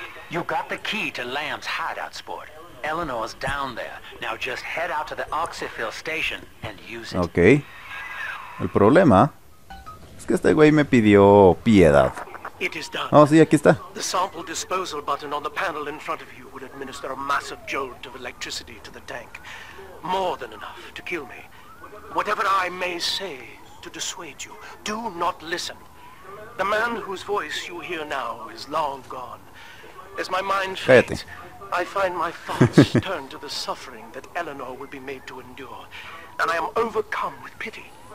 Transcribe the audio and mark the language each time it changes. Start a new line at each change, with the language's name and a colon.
English: You got the key to Lamb's hideout spot. Eleanor's down there. Now just head out to the Oxyfill station and use it. Okay.
Spanish: El problema es que este güey me pidió piedad.
English: It is done. Oh,
Spanish: sí, aquí está.
English: The sample disposal button on the panel in front of you would administer a massive jolt of electricity to the tank. More than enough to kill me. Whatever I may say to dissuade you, do not listen. The man whose voice you hear now is long gone. As my mind fades, I find my thoughts turn to the suffering that Eleanor will be made to endure, and I am overcome with pity.